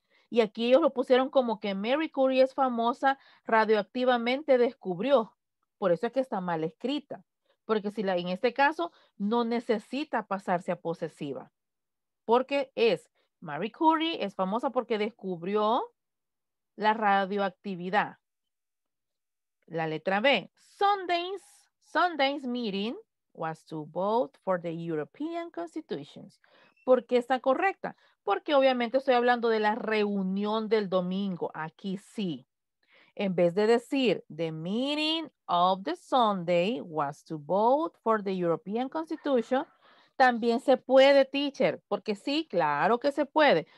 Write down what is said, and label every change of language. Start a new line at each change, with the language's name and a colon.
Spanish: Y aquí ellos lo pusieron como que Mary Curie es famosa, radioactivamente descubrió. Por eso es que está mal escrita. Porque si la, en este caso no necesita pasarse a posesiva. Porque es Mary Curie es famosa porque descubrió la radioactividad. La letra B.
English: Sunday's meeting was to vote for the European constitutions.
Spanish: ¿Por qué está correcta? Porque obviamente estoy hablando de la reunión del domingo. Aquí sí. En vez de decir,
English: the meeting of the Sunday was to vote for the European Constitution,
Spanish: también se puede, teacher. Porque sí, claro que se puede.